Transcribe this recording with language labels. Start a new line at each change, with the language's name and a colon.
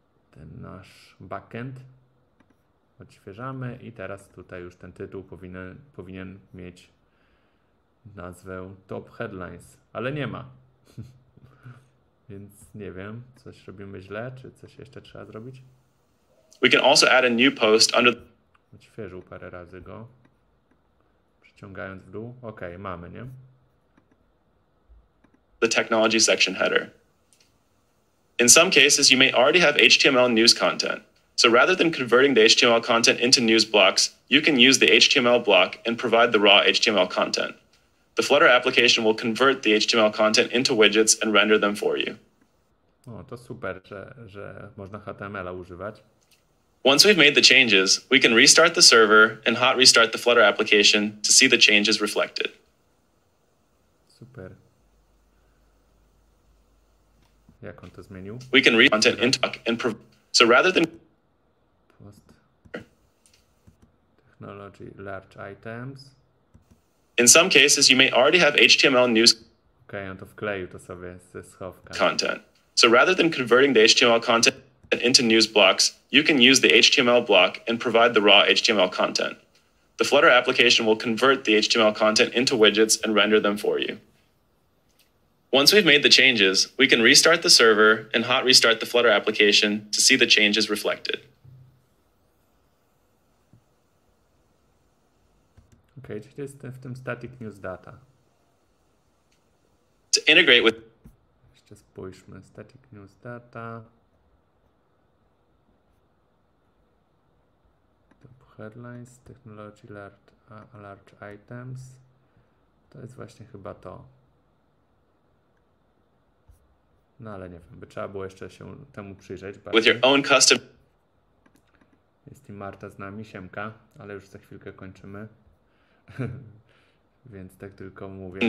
Polish: Ten nasz backend odświeżamy i teraz tutaj już ten tytuł powinien mieć nazwę Top Headlines, ale nie ma. Więc nie wiem, coś robimy źle, czy coś jeszcze trzeba zrobić.
English: We can also add a new post under...
Polish: Odświeżył parę razy go. Przyciągając w dół. Okej, mamy, nie?
English: The technology section header. In some cases, you may already have HTML news content. So rather than converting the HTML content into news blocks, you can use the HTML block and provide the raw HTML content. The Flutter application will convert the HTML content into widgets and render them for you.
Polish: O, to super, że można HTML-a używać.
English: Once we've made the changes, we can restart the server and hot restart the Flutter application to see the changes reflected.
Polish: Super. Jak on to zmienił?
English: We can read content in talk and so rather than post technology large items. In some cases you may already have HTML news.
Polish: Okay, on to wkleił to sobie ze schowka.
English: Content. So rather than converting the HTML content into news blocks, you can use the HTML block and provide the raw HTML content. The Flutter application will convert the HTML content into widgets and render them for you. Once we've made the changes, we can restart the server and hot restart the Flutter application to see the changes reflected.
Polish: Okay, czyli jest w tym static news data.
English: To integrate with...
Polish: Jeszcze spójrzmy, static news data.
English: Top headlines, technology large items.
Polish: To jest właśnie chyba to. No ale nie wiem, by trzeba było jeszcze się temu przyjrzeć bardziej.
English: With your own custom.
Polish: Jest i Marta z nami, siemka, ale już za chwilkę kończymy. Więc tak tylko mówię,